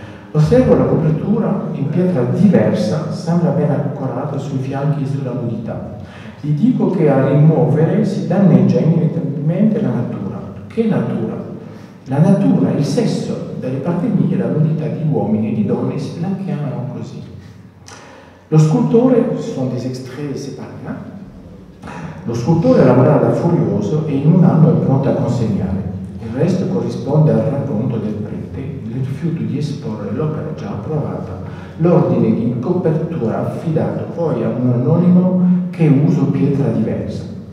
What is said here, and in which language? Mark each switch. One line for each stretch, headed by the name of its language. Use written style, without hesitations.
Italian: Osservo la copertura in pietra diversa, sembra ben accorata sui fianchi e sulla nudità. Gli dico che a rimuovere si danneggia inevitabilmente la natura. Che natura? La natura, il sesso, dalle parti mie, la nudità di uomini e di donne si la chiamano così. Lo scultore,
French: ce sont des extraits séparés, hein?
Italian: Lo scultore lavora da furioso e in un anno è pronto a consegnare. Il resto corrisponde al racconto del prete, il rifiuto di esporre l'opera già approvata, l'ordine di copertura affidato poi a un anonimo che usa pietra diversa.